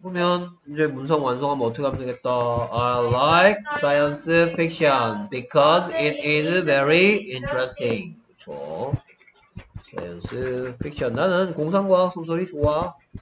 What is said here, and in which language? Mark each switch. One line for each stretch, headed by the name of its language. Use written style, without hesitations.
Korean: 그러면 이제 문성 완성하면 어떻게 하면 되겠다.
English: I like science fiction because it is very interesting.
Korean: 그렇죠. 사이언스 픽션 나는 공상과학 소설이 좋아.